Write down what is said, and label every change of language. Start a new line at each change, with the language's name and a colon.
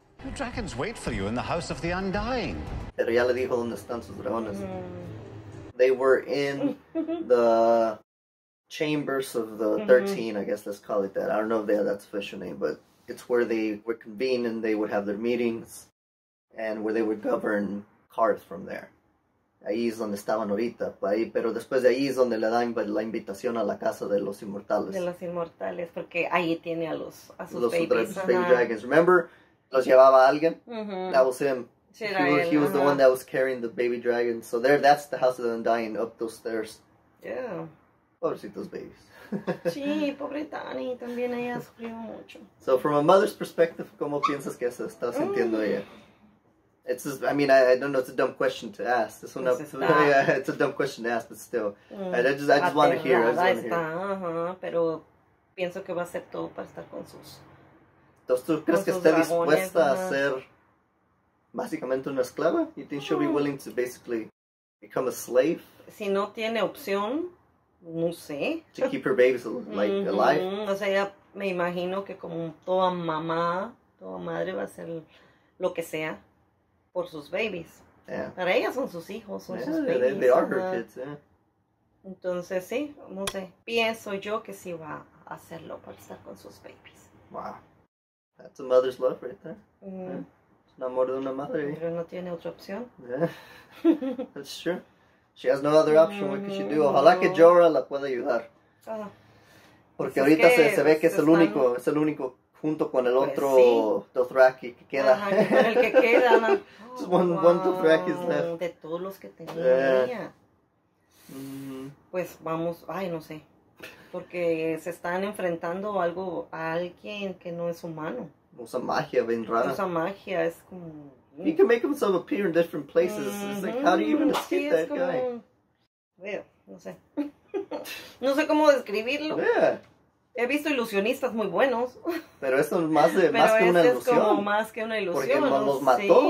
English: The dragons wait for you in the house of the undying.
Spanish: Pero ya le dijo dónde están sus dragones.
English: They were in the... Chambers of the 13, I guess let's call it that. I don't know if they have that official name, but it's where they would convene and they would have their meetings and where they would govern Karth from there.
Spanish: Ahí es donde estaban ahorita, pero después de ahí es donde le dan la invitación a la casa de los inmortales. De los inmortales, porque ahí tiene a sus
English: babies. Baby dragons. Remember,
Spanish: los llevaba alguien?
English: That was him. He was the one that was carrying the baby dragons. So there, that's the house of the undying up those stairs. Yeah.
Spanish: Pobrecitos babies. Sí, pobre Dany, también ella sufrió mucho.
English: So from a mother's perspective,
Spanish: ¿cómo piensas que se está sintiendo ella?
English: It's just, I mean, I don't know, it's a dumb question to ask. This one pues up, yeah, it's a dumb question to ask, but still. I just want to hear.
Spanish: Pero pienso que va a hacer todo para estar con sus. Entonces, ¿tú crees que esté dispuesta a ser básicamente una esclava?
English: You think she'll be willing to basically become a slave?
Spanish: Si no tiene opción, no sé.
English: To keep her babies like alive.
Spanish: O sea, ya me imagino que como toda mamá, toda madre va a hacer lo que sea por sus babies.
English: Yeah.
Spanish: Para ella son sus hijos, son sus babies.
English: They are her kids, yeah.
Spanish: Entonces, sí, no sé. Pienso yo que sí va a hacerlo para estar con sus babies.
English: Wow. That's a mother's love right there. Yeah.
Spanish: Un amor de una madre. Pero no tiene otra opción.
English: Yeah. That's true. She has no other option. What can she do?
Spanish: Ojalá que Jorah la pueda ayudar. Porque es ahorita que se ve que es el único junto con el otro Dothraki que queda. Ajá, con el que queda.
English: Just one Dothraki is left.
Spanish: De todos los que tenía. Yeah. Pues vamos, ay, no sé. Porque se están enfrentando algo a alguien que no es humano. Usa magia bien rara. Usa magia, es como...
English: He can make himself appear in different places. It's like, how do you even escape that guy?
Spanish: Como... Veo, no sé. No sé cómo describirlo.
English: Yeah.
Spanish: He visto ilusionistas muy buenos. Pero eso es más, de, pero más que una ilusión. Es como más que una ilusión. Porque no, los mató.